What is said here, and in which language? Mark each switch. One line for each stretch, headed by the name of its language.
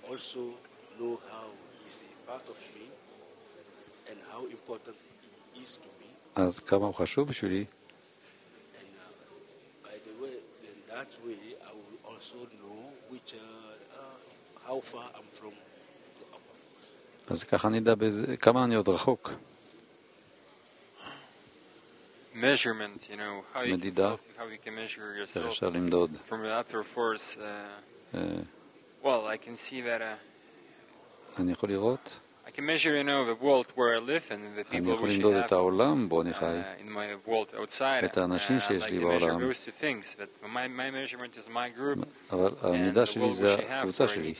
English: also know how he's a part of me and how important he is to me,
Hebrew: אז כמה הוא חשוב בשבילי.
English: And by the way, in that way so know which how far I'm from the upper.
Hebrew: אז ככה נדע כמה אני עוד רחוק.
English: Measurement, you know, how you מדידה, how you can measure yourself.
Hebrew: אפשר למדוד.
English: From the upper force well, I can see that
Hebrew: אני יכול לראות.
English: I can measure, you know, the world where I live and the people
Hebrew: אני יכול למדוד את העולם בו אני חי.
English: In my world outside.
Hebrew: את האנשים שיש לי בעולם.
English: Like measure things, but my measurement is my group.
Hebrew: אבל המידה שלי זה הקבוצה שלי.